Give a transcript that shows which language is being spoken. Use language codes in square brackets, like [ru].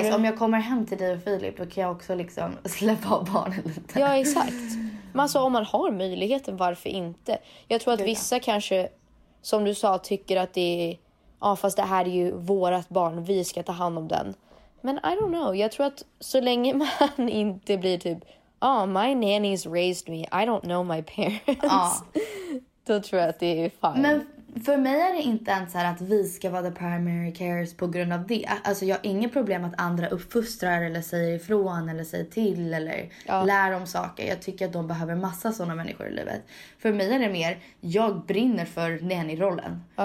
[sv] nice, om jag kommer hem till dig och Filip, då kan jag också liksom släppa av barnen lite. Ja, exakt. Men alltså, om man har möjligheten, varför inte? Jag tror att vissa kanske, som du sa, tycker att det är... Ja, fast det här är ju vårat barn, vi ska ta hand om den. Men [en] I don't know, [sv] jag tror att så länge man inte blir typ... [en] Ja, my nanny's raised me, I don't know my parents. [sv] Då tror jag att det är fine. Men... För mig är det inte ens så här att vi ska vara [en] the primary carers [sv] på grund av det. Alltså jag har inget problem att andra uppfostrar eller säger ifrån eller säger till eller lär om saker. Jag tycker att de behöver massa sådana människor i livet. För mig är det mer, jag brinner för nanny-rollen.